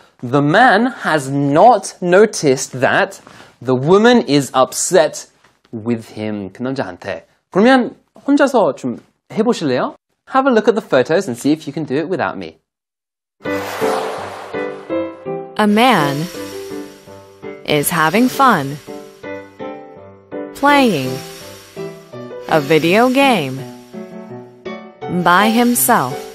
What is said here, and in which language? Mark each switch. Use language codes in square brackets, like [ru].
[en] The man has not noticed that the woman is upset with him. [ko] 그 남자한테. 그러면 혼자서 좀 해보실래요? [en] Have a look at the photos and see if you can do it without me. A man is having fun playing a video game by himself.